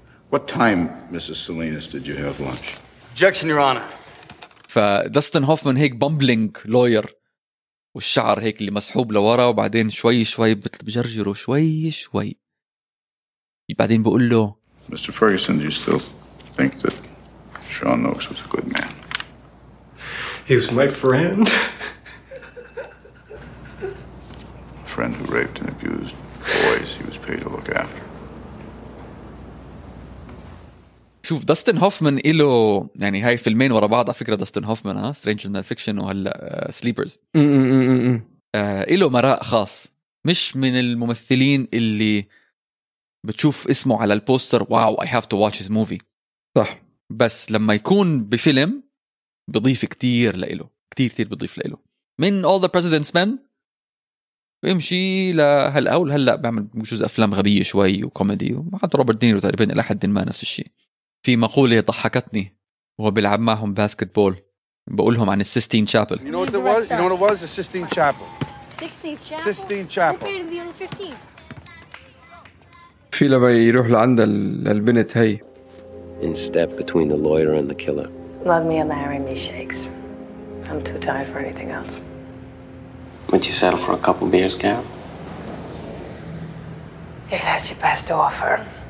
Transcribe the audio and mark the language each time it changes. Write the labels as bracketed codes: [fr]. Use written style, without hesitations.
[en] What time, Mrs. Salinas, did you have lunch? Objection, Your Honor. [ar] فداستن هوفمان هيك بامبلينج لوير والشعر هيك اللي مسحوب لورا وبعدين شوي شوي بجرجره شوي شوي بعدين بقول له [en] Mr. Ferguson, do you still think that Sean Noakes was a good man? He was my friend. Friend who raped and abused boys he was paid to look after. [ar] شوف داستن هوفمان إله يعني هاي فيلمين ورا بعض على فكرة. داستن هوفمان ها Stranger Than Fiction وهلأ Sleepers إله مراء خاص. مش من الممثلين اللي بتشوف اسمه على البوستر واو [en] I have to watch his movie. [ar] صح. بس لما يكون بفيلم بضيف كتير لإله كتير بضيف لإله. من All the President's Men ويمشي لهلأ أول هلأ بعمل جزء أفلام غبية شوي وكوميدي وحتى روبرت دينيرو تقريبا إلى حد ما نفس الشيء. في مقولة ضحكتني وهو بيلعب معهم باسكت بول بقولهم عن السيستين شابل. [en] You know what it was? You know what it was? The Sistine Chapel. Sistine Chapel. Sistine Chapel. [ar] في لما يروح لعند البنت هاي. [en] In step between the lawyer and the killer. Mug me or marry me, shakes. I'm too tired for anything else. Would you settle for a couple beers, Carol? If that's your best to offer.